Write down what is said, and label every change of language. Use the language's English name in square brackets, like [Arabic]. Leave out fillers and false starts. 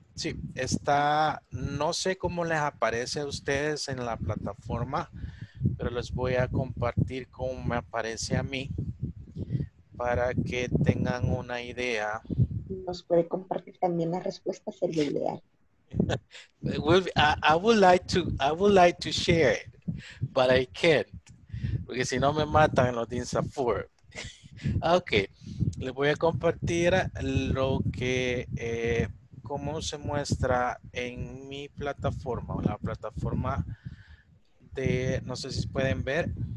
[Spanish] Sí, está, no sé cómo les aparece a ustedes en la plataforma, pero les voy a compartir cómo me aparece a mí para que tengan una idea. Nos puede compartir también la respuesta, sería ideal. [English] I would like to share it, but I can't. [Spanish] Porque si no me matan los DINSA 4. Ok, les voy a compartir lo que, cómo se muestra en mi plataforma, la plataforma de, no sé si pueden ver.